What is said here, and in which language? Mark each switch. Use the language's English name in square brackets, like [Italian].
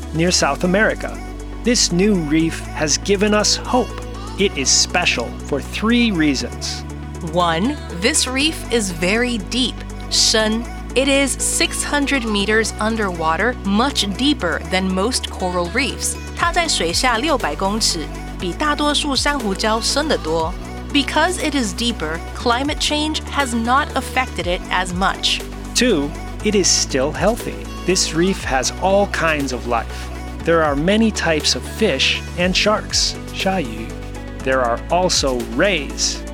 [English] near South America. This new reef has given us hope. It is special for three reasons. 1. This reef is very deep. 深. It is 600 meters underwater, much deeper than most coral reefs. [Chinese] 它在水下600公尺,比大多数珊瑚礁深得多。 [English] Because it is deeper, climate change has not affected it as much. 2. It is still healthy. This reef has all kinds of life. There are many types of fish and sharks, [Chinese] 鲨鱼. [English] There are also rays,